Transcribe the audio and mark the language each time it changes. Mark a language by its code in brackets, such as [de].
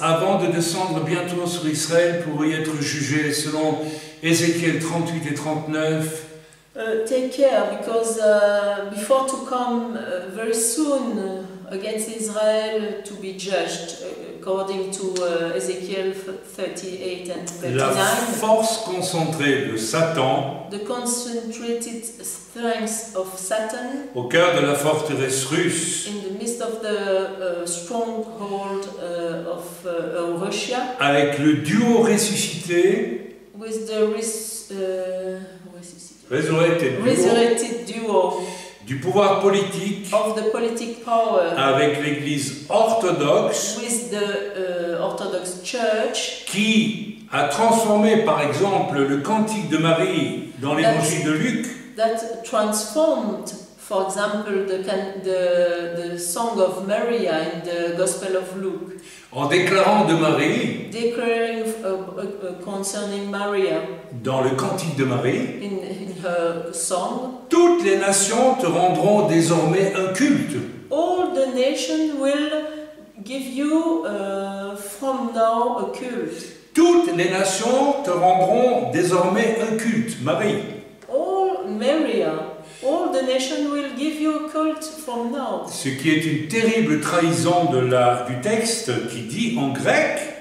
[fr] avant de descendre bientôt sur Israël pour y être jugé selon Ézéchiel 38 et 39. [en] Take care, because before to come very soon against Israel to be judged, according to Ezekiel 38 and 39. [fr] La force concentrée de Satan. [en] The concentrated strength of Satan. [fr] Au cœur de la forteresse russe. [en] In the midst of the stronghold of Russia. [fr] Avec le duo ressuscité. [en] With the Resurrected duo [fr] du pouvoir politique [en] of the political power [fr] avec l'Église orthodoxe [en] with the Orthodox Church [fr] qui a transformé par exemple le cantique de Marie dans l'Évangile de Luc [en] that transformed for example the song of Maria in the Gospel of Luke [fr] en déclarant de Marie [en] declaring concerning Maria [fr] dans le cantique de Marie [en] Song, [fr] toutes les nations te rendront désormais un culte. [en] All the nations will give you from now a cult. [fr] Toutes les nations te rendront désormais un culte, Marie. [en] All Maria, all the nations will give you a cult from now. [fr] Ce qui est une terrible trahison de du texte qui dit en grec.